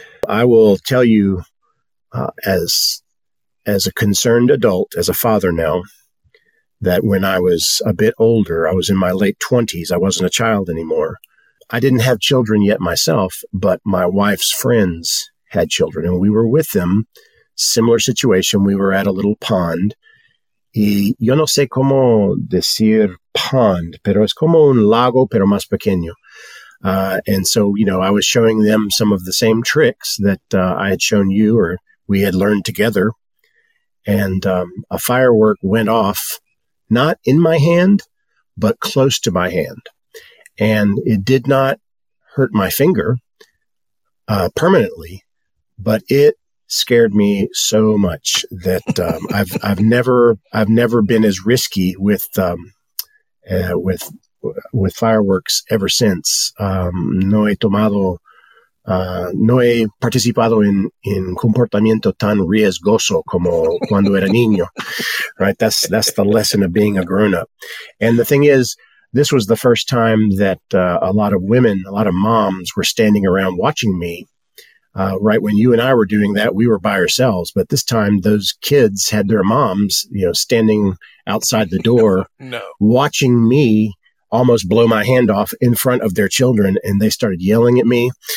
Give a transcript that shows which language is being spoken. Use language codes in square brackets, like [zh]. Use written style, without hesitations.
[en] I will tell you, as a concerned adult, as a father now, that when I was a bit older, I was in my late 20s, I wasn't a child anymore. I didn't have children yet myself, but my wife's friends had children, and we were with them. Similar situation. We were at a little pond. [es] Y yo no sé cómo decir pond, pero es como un lago, pero más pequeño. [en] And so, you know, I was showing them some of the same tricks that I had shown you or we had learned together. And a firework went off. Not in my hand, but close to my hand. And it did not hurt my finger permanently, but it scared me so much that I've never been as risky with fireworks ever since. [es] No he participado en comportamiento tan riesgoso como cuando era niño, right? [en] That's the lesson of being a grown-up. And the thing is, this was the first time that a lot of women, a lot of moms were standing around watching me. Right when you and I were doing that, we were by ourselves. But this time, those kids had their moms, you know, standing outside the door watching me almost blow my hand off in front of their children, and they started yelling at me.